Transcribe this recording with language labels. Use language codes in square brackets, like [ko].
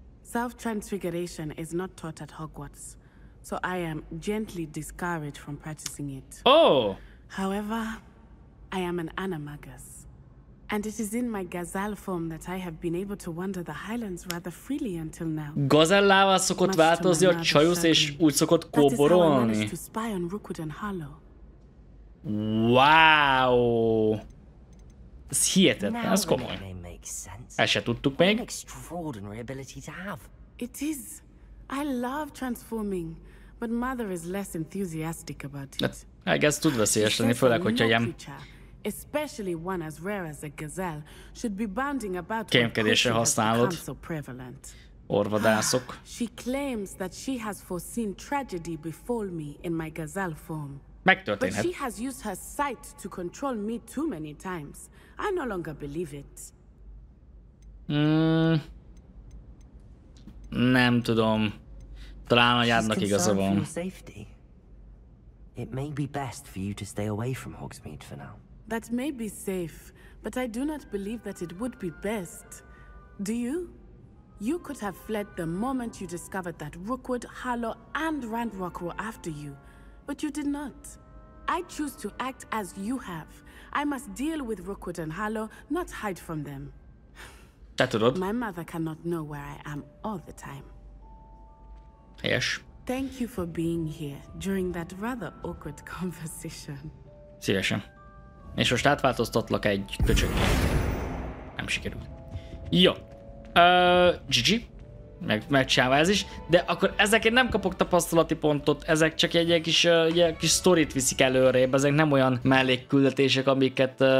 [en] Self-transfiguration is not taught at Hogwarts, so I am gently discouraged from practicing it. Oh! However, I am an animagus. And it is in my gazelle form that I have been able to wander the highlands rather freely until now. [hu] Gazellává szokott változni a csajus, és úgy szokott kóborolni. [en] That is how I managed to spy on Rookwood and Harlow. Wow! [hu] Ez hihetetlen, ez komoly. Ezt se tudtuk még. [en] Extraordinary ability to have. It is. I love transforming, but mother is less enthusiastic about it. I guess [hu] tud veszélyes lenni, főleg, hogyha ilyen... [en] Especially one as rare as a gazelle should be bounding about [hu] kémkedésre használod. Orvadászok. [en] She claims that she has foreseen tragedy befall me in my gazelle form. [hu] Megtörténhet. [en] But she has used her sight to control me too many times. I no longer believe it. [hu] Nem tudom. Talán a járnak igaza van. [en] It may be best for you to stay away from Hogsmeade for now. That may be safe, but I do not believe that it would be best. Do you? You could have fled the moment you discovered that Rookwood, Harlow, and Randrock were after you, but you did not. I choose to act as you have. I must deal with Rookwood and Harlow, not hide from them. My mother cannot know where I am all the time. Yes. Thank you for being here during that rather awkward conversation. [hu] Szívesen. És most átváltoztatlak egy köcsögnyét. Nem sikerült. Jó. GG. meg csávázás is, de akkor ezek nem kapok tapasztalati pontot, ezek csak egy kis sztorit viszik előrébb, ezek nem olyan mellékküldetések, amiket